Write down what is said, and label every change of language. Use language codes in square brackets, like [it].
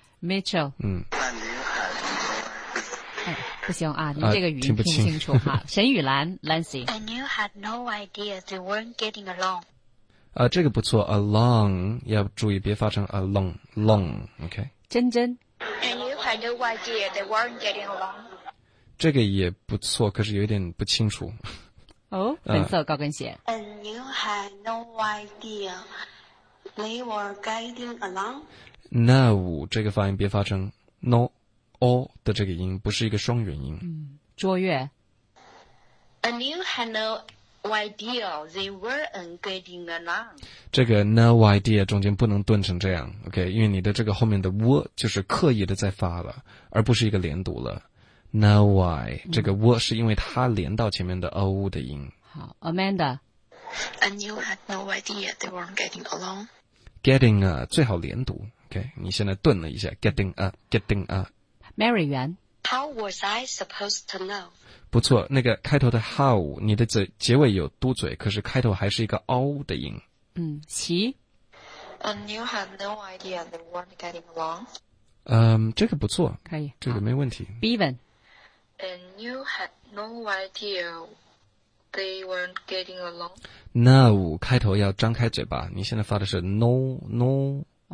[zh] Mitchell， 不行啊，您这个语音听清楚哈。沈雨兰 ，Lancy。 [en] And you had no idea they weren't getting along。 [zh] 这个不错 ，along 要注意别发成 along，long OK。真真。 [en] And you had no idea they weren't getting along。 [zh] 这个也不错，可是有点不清楚。哦，粉色高跟鞋。 [en] And you had no idea they were getting along. [zh] No， 这个发音别发成 no or 的这个音，不是一个双元音。卓越。 [en] And you had no idea they weren't getting along. [zh] 这个 no idea 中间不能顿成这样 ，OK？因为你的这个后面的 w 就是刻意的在发了，而不是一个连读了。 [en] Now why?、 [zh] 这个 what 是因为它连到前面的 o 的音。好 ,Amanda. [en] And you had no idea they weren't getting along. [zh] Getting a, 最好连读 ,OK? 你现在顿了一下 ,getting a, getting a. Mary Yuan. [en] How was I supposed to know? [zh] 不错那个开头的 how, 你的结尾有嘟嘴可是开头还是一个 o 的音。其。 [en] And you had no idea they weren't getting along. [zh] 这个不错可以这个没问题。 Bevan. [en] And you had no idea they weren't getting along? [zh] No, 开头要张开嘴巴你现在发的是 no.